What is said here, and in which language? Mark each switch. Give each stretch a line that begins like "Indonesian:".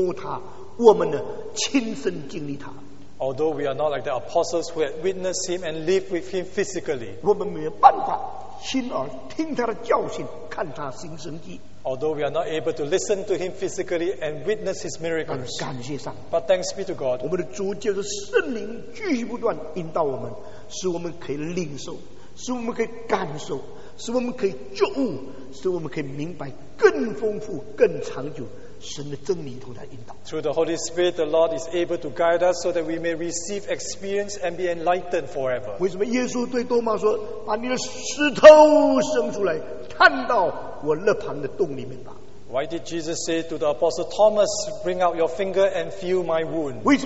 Chinese: 我们不能像彼得、保罗亲自与耶稣在一起，亲眼看他，亲手摸他，我们呢亲身经历他。
English: Although we are not like the apostles who had witnessed him and lived with him physically,
Chinese: 我们没有办法亲耳听他的教训，看他行神迹。
English: Although we are not able to listen to him physically and witness his miracles,
Chinese: 感谢上,
English: but thanks be to God,
Chinese: 我们的主就是圣灵继续不断引导我们，使我们可以领受，使我们可以感受，使我们可以觉悟，使我们可以明白更丰富、更长久神的真理同在引导。
English: Through the Holy Spirit, the Lord is able to guide us so that we may receive experience and be enlightened forever.
Chinese: 为什么耶稣对多马说，把你的石头伸出来？看到我肋旁的洞里面吧。
English: Why did Jesus say to the Apostle Thomas, bring out your finger and feel my wound?